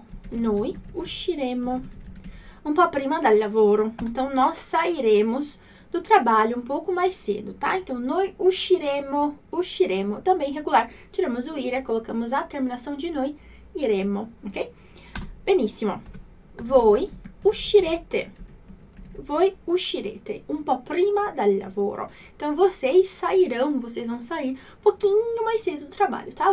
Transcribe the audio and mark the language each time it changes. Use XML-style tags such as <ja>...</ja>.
<it>Noi usciremo un po' prima dal lavoro.</it> <pt>Então, nós sairemos do trabalho um pouco mais cedo, tá?</pt> <it>Então, noi usciremo, usciremo.</it> <pt>Também regular. Tiramos o ire, colocamos a terminação de noi, iremo, ok?</pt> <it>Benissimo. Voi uscirete. Voi uscirete un po' prima dal lavoro.</it> <pt>Então, vocês sairão, vocês vão sair um pouquinho mais cedo do trabalho, tá?</pt>